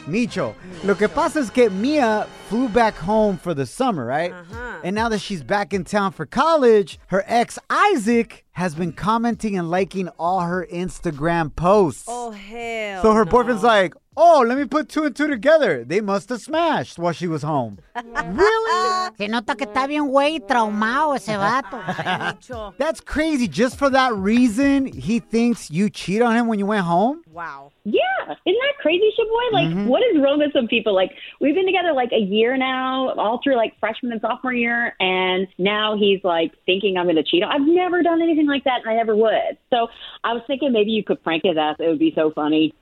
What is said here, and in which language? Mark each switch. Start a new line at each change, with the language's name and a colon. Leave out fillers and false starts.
English: Micho.
Spanish: Lo que pasa es que
English: Mia flew back home for the summer, right? Uh-huh. And now that she's back in town for college, her ex, Isaac, has been commenting and liking all her Instagram posts. Oh, hell. So her boyfriend's like, oh, let me put two and two together. They must have smashed while she was home. Really?
Spanish: Se nota que está bien güey traumado ese vato.
English: That's crazy. Just for that reason, he thinks you cheat on him when you went home? Wow. Yeah. Isn't that crazy, Shaboy? Like, mm-hmm. What is wrong with some people? Like, we've been together like a year now, all through like freshman and sophomore year, and now he's like thinking I'm going to cheat. I've never done anything like that, and I never would. So I was thinking maybe you could prank his ass. It would be so funny.